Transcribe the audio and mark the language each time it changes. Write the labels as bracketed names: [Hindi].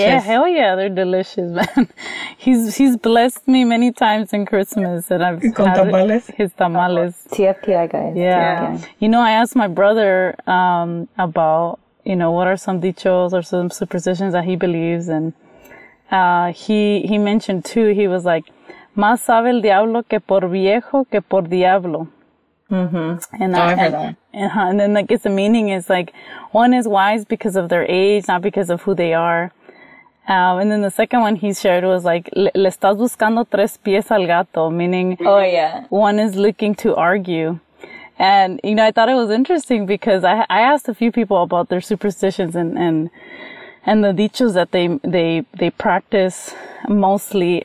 [English] Yeah, hell yeah, they're delicious, man. He's blessed me many times in Christmas that I've [Spanish] con [English] had tamales. His tamales. TFTI, guys. Yeah. You know, I asked my brother about, you know, what are some dichos or some superstitions that he believes. And he mentioned, too, he was like, [Spanish] más sabe el diablo que por viejo que por diablo. [English] Mm-hmm. And I've heard that. And then, like, it's the meaning is, like, one is wise because of their age, not because of who they are. And then the second one he shared was, like, [Spanish] le estás buscando tres pies al gato, [English] meaning oh, yeah. One is looking to argue. And, you know, I thought it was interesting because I asked a few people about their superstitions and the dichos that they practice mostly.